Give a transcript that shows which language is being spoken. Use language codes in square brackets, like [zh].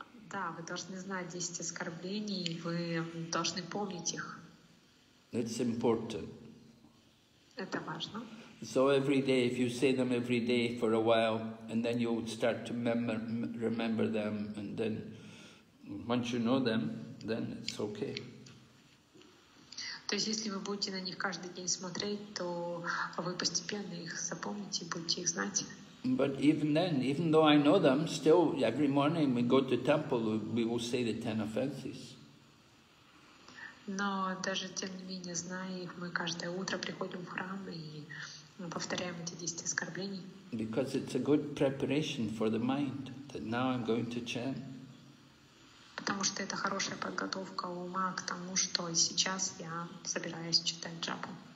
[ru] Да, вы должны знать 10 оскорблений, вы должны помнить их. [en] It's important. [ru] Это важно. [en] So every day, if you say them every day for a while, and then you would start to remember them, and then once you know them, then it's okay. [ru] То есть, если вы будете на них каждый день смотреть, то вы постепенно их запомните, будете их знать. [en] But even then, even though I know them, still every morning we go to temple, we will say the 10 offenses. [ru] Но даже тем не менее, зная их, мы каждое утро приходим в храм и повторяем эти 10 оскорблений. [en] Because it's a good preparation for the mind, that now I'm going to chant. [ru] Потому что это хорошая подготовка ума к тому, что сейчас я собираюсь читать джапу.